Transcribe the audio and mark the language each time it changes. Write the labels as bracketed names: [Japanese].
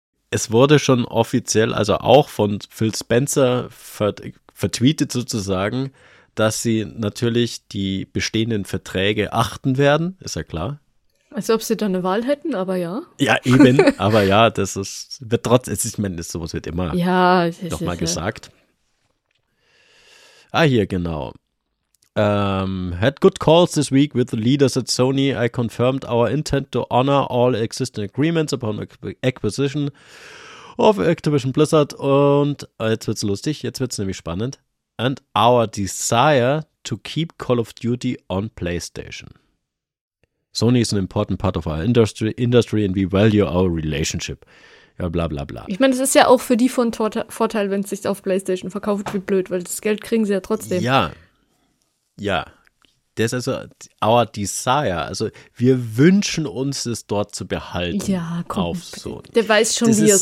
[German] Es wurde schon offiziell, also auch von Phil Spencer, vertweetet sozusagen, dass sie natürlich die bestehenden Verträge achten werden, ist ja klar. Als ob sie da eine Wahl hätten, aber ja. Ja, eben, aber ja, wird trotzdem, es ist, ich meine, sowas wird immer Ja, nochmal gesagt. Ah, hier, genau. [English] Had good calls this week with the leaders at Sony. I confirmed our intent to honor all existing agreements upon acquisition of Activision Blizzard. [German] Und jetzt wird's lustig, jetzt wird's nämlich spannend. [English] And our desire to keep Call of Duty on PlayStation. Sony is an important part of our industry and we value our relationship. [German] Ja, bla bla bla. Ich meine, das ist ja auch für die von Vorteil, wenn es sich auf PlayStation verkauft, wie blöd, weil das Geld kriegen sie ja trotzdem. Ja. Ja, das ist also [English] our desire. [German] Also wir wünschen uns, es dort zu behalten Ja, auf komm, Sony. der weiß schon, Das